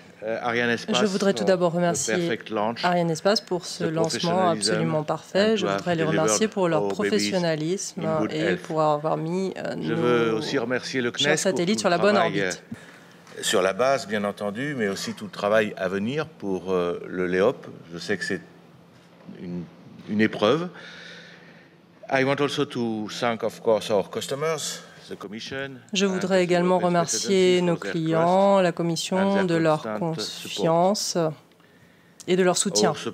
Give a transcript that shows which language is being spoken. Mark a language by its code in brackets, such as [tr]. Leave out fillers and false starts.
[fr] Je voudrais tout d'abord remercier Arianespace pour ce lancement absolument parfait. Je voudrais les remercier pour leur professionnalisme et pour avoir mis nos satellites sur la bonne orbite. Sur la base, bien entendu, mais aussi tout le travail à venir pour le LEOP. Je sais que c'est une épreuve. [en] I want also to thank, of course, our customers. [fr] Je voudrais également remercier nos clients, la Commission, de leur confiance et de leur soutien.